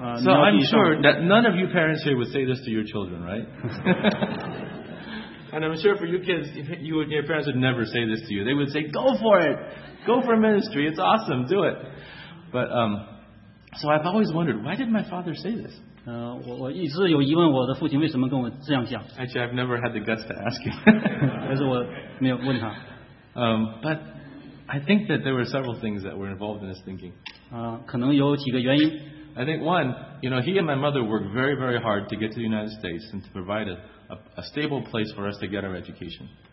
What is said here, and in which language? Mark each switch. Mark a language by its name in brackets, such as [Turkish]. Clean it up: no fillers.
[English] So I'm sure that none of you parents here would say this to your children, right? And I'm sure for you kids, you and your parents would never say this to you. They would say, "Go for it, go for ministry. It's awesome. Do it." But so I've always wondered, why did my father say this? [Chinese] 我一直有疑问，我的父亲为什么跟我这样讲。 [English] Actually, I've never had the guts to ask him. [Chinese] 但是我没有问他。 [English] But I think that there were several things that were involved in his thinking. [Chinese] 可能有几个原因。 [English] I think one, you know, he and my mother worked very, very hard to get to the United States and to provide a stable place for us to get our education.